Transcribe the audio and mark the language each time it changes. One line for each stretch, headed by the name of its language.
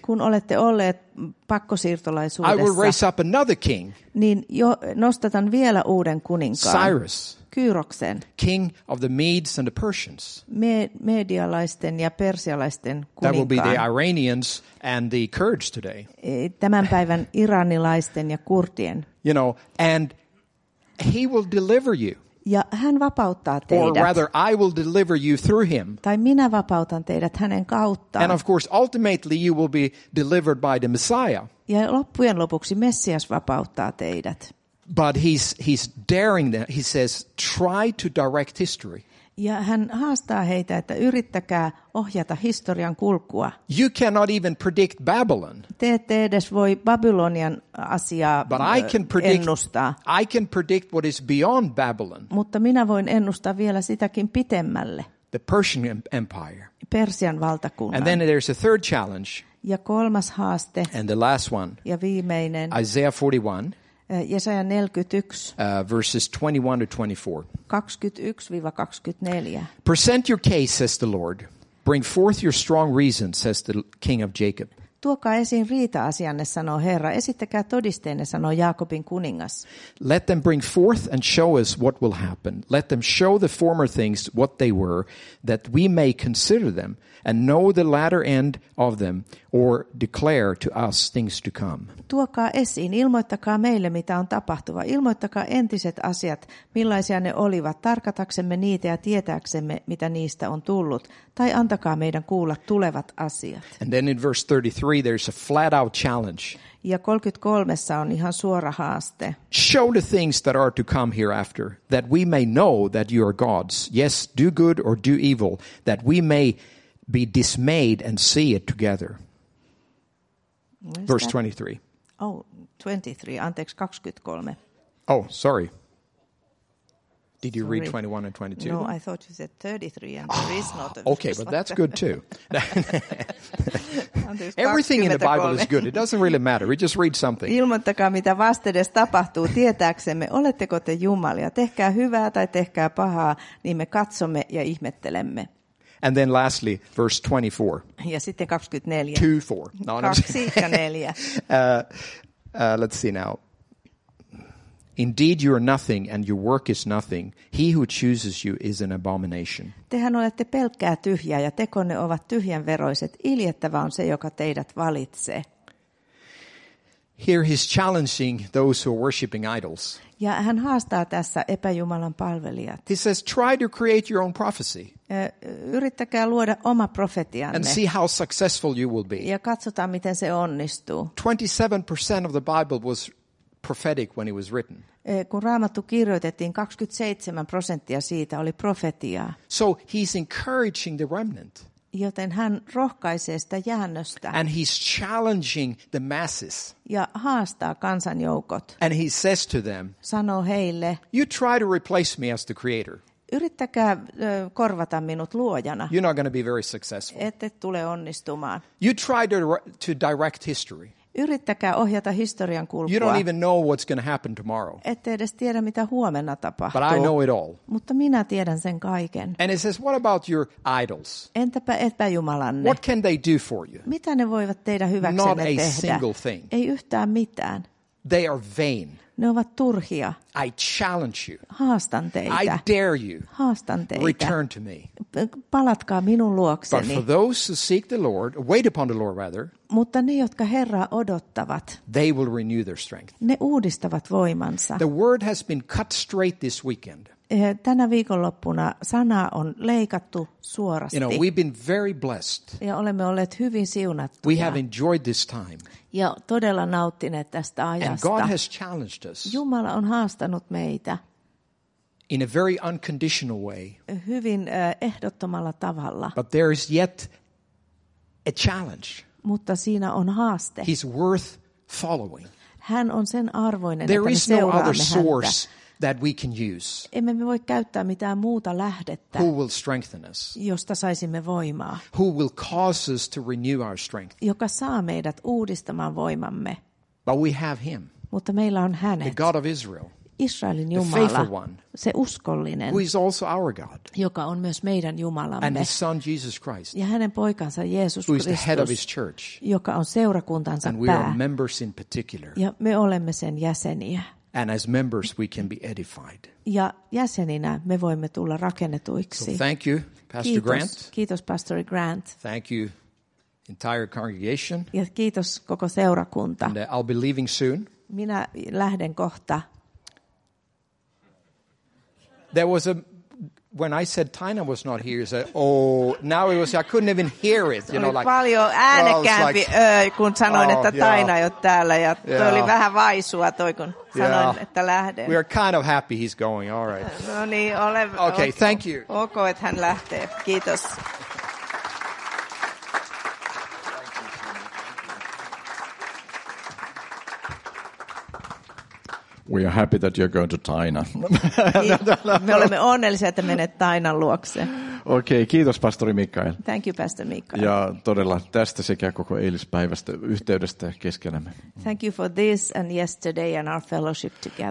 Finnish: Kun olette olleet pakkosiirtolaisuudessa.
English: I will raise up another king.
Finnish: Niin jo nostatan vielä uuden kuninkaan.
English: Cyrus.
Finnish: Kyroksen.
English: King of the Medes and the Persians.
Finnish: Medialaisten ja persialaisten kuninkaan.
English: That will be the Iranians and the Kurds today.
Finnish: Tämän päivän iranilaisten ja kurdien.
English: You know, and he will deliver you.
Finnish: Ja hän vapauttaa teidät.
English: Or rather, I will deliver you through him.
Finnish: Tai minä vapautan teidät hänen kauttaan.
English: And of course, ultimately you will be delivered by the Messiah.
Finnish: Ja loppujen lopuksi Messias vapauttaa teidät.
English: But he's daring them. He says, try to direct history.
Finnish: Ja hän haastaa heitä, että yrittäkää ohjata historian kulkua.
English: You cannot even predict Babylon.
Finnish: Te ette edes voi Babylonian asiaa ennustaa.
English: I can predict what is beyond Babylon.
Finnish: Mutta minä voin ennustaa vielä sitäkin pitemmälle.
English: The Persian Empire.
Finnish: Persian valtakunnan.
English: And then there's a third challenge.
Finnish: Ja kolmas haaste.
English: And the last one.
Finnish: Ja viimeinen.
English: Isaiah 41.
Finnish: Jesaja 41,
English: verses 21 to 24.
Finnish: 21-24.
English: Present your case, says the Lord. Bring forth your strong reason, says the King of Jacob.
Finnish: Tuokaa esiin riita-asianne, sanoo Herra. Esittäkää todisteenne, sanoo Jaakobin kuningas.
English: Let them bring forth and show us what will happen. Let them show the former things what they were, that we may consider them and know the latter end of them, or declare to us things to come.
Finnish: Tuokaa esiin, ilmoittakaa meille, mitä on tapahtuva. Ilmoittakaa entiset asiat, millaisia ne olivat, tarkataksemme niitä ja tietääksemme, mitä niistä on tullut. Tai antakaa meidän kuulla tulevat asiat.
English: And then in verse 33, there's a flat out challenge.
Finnish: Ja 33:ssa on ihan suora haaste.
English: Show the things that are to come hereafter, that we may know that you are gods. Yes, do good or do evil, that we may be dismayed and see it together. Verse 23.
Finnish: Oh, 23. Anteeksi, 23.
English: Oh, sorry. Did you read 21 and 22? No, I thought you said 33, and there is not. Okay, but that's good too. Everything in the Bible is good. It doesn't really matter. We just read something.
Finnish: Ilmoittakaa, mitä vastedes tapahtuu, tietääksemme, oletteko te jumalia. Tehkää hyvää tai tehkää pahaa, niin me katsomme ja ihmettelemme.
English: And then lastly, verse 24.
Finnish: Ja sitten 24. 2-4.
English: No, 24. Let's see now. Indeed, you are nothing, and your work is nothing. He who chooses you is an abomination.
Finnish: Tehän olette pelkkää tyhjää, ja tekonne ovat tyhjänveroiset. Iljettävä on se, joka teidät valitsee.
English: Here he's challenging those who are worshiping idols.
Finnish: Ja hän haastaa tässä epäjumalan palvelijat.
English: He says, try to create your own prophecy.
Finnish: Yrittäkää luoda oma profetianne.
English: And see how successful you will be.
Finnish: Ja katsotaan, miten se onnistuu.
English: 27% of the Bible was prophetic when it was written.
Finnish: Kun Raamattu kirjoitettiin, 27% siitä oli profetiaa.
English: So he's encouraging the remnant.
Finnish: Joten hän rohkaisee sitä jäännöstä.
English: And he's challenging the masses.
Finnish: Ja haastaa kansanjoukot.
English: And he says to them,
Finnish: sanoo heille,
English: you try to replace me as the creator.
Finnish: Yrittäkää korvata minut luojana.
English: You're not going to be very successful.
Finnish: Ette tule onnistumaan.
English: You try to direct history.
Finnish: Yrittäkää ohjata historian kulkua.
English: You don't even know what's going to happen tomorrow.
Finnish: Ette edes tiedä, mitä huomenna tapahtuu.
English: But I know it all.
Finnish: Mutta minä tiedän sen kaiken.
English: And it says, what about your idols?
Finnish: Entäpä epäjumalanne?
English: What can they do for you?
Finnish: Mitä ne voivat teidän hyväksenne
English: Not
Finnish: tehdä?
English: A single thing.
Finnish: Ei yhtään mitään.
English: They are vain.
Finnish: Ne ovat turhia.
English: I challenge you.
Finnish: Haastan teitä.
English: I dare you.
Finnish: Haastan teitä.
English: Return to me.
Finnish: Palatkaa minun luokseni.
English: But for those who seek the Lord, wait upon the Lord rather.
Finnish: Mutta ne, jotka Herraa odottavat.
English: They will renew their strength.
Finnish: Ne uudistavat voimansa.
English: The word has been cut straight this weekend.
Finnish: Tänä viikonloppuna sana on leikattu suorasti.
English: You know, we've been very blessed.
Finnish: Ja olemme olleet hyvin siunattuja.
English: We have enjoyed this time.
Finnish: Ja todella nauttineet tästä ajasta.
English: And God has challenged us.
Finnish: Jumala on haastanut meitä.
English: in a very unconditional way.
Finnish: Hyvin ehdottomalla tavalla.
English: But there is yet a challenge.
Finnish: Mutta siinä on haaste.
English: He's worth following.
Finnish: Hän on sen arvoinen,
English: there
Finnish: että
English: is no other
Finnish: häntä.
English: Source that we can use.
Finnish: Emme me voi käyttää mitään muuta lähdettä.
English: Who will strengthen us?
Finnish: Josta saisimme voimaa.
English: Who will cause us to renew our strength?
Finnish: Joka saa meidät uudistamaan voimamme.
English: But we have him.
Finnish: Mutta meillä on hänet.
English: The God of Israel.
Finnish: Israelin Jumala,
English: the faithful one,
Finnish: se uskollinen,
English: who is also our God,
Finnish: joka on myös meidän Jumalamme,
English: and his son Jesus Christ,
Finnish: ja hänen poikansa Jeesus
English: who
Finnish: Kristus,
English: is the head of his church,
Finnish: joka on seurakuntansa
English: and
Finnish: pää,
English: we are members in particular,
Finnish: ja me olemme sen jäseniä.
English: And as members we can be edified.
Finnish: Ja jäseninä me voimme tulla rakennetuiksi.
English: So thank you, Pastor
Finnish: kiitos,
English: Grant.
Finnish: Kiitos, Pastor Grant.
English: Thank you, entire congregation.
Finnish: Ja kiitos koko seurakunta.
English: And I'll be leaving soon.
Finnish: Minä lähden kohta.
English: There was a when I said Tina was not here, said, "Oh, now it was I couldn't even hear it." You know, like
Finnish: paljon äänekkäämpi, kun sanoin, että Tina ei ole täällä, ja toi oli vähän vaisua, toi kun sanoin, että lähden.
English: We are kind of happy he's going. All right.
Finnish: No niin, ole.
English: Okay, thank you.
Finnish: Okay, että hän lähtee. Kiitos.
English: We are happy that you're going to Taina.
Finnish: Me olemme onnellisia, että menet Tainan luokse. Okei, kiitos pastori Mikael.
English: Thank you pastor Mikael.
Finnish: Ja todella tästä sekä koko eilispäivästä yhteydestä keskenämme.
English: Thank you for this and yesterday and our fellowship together.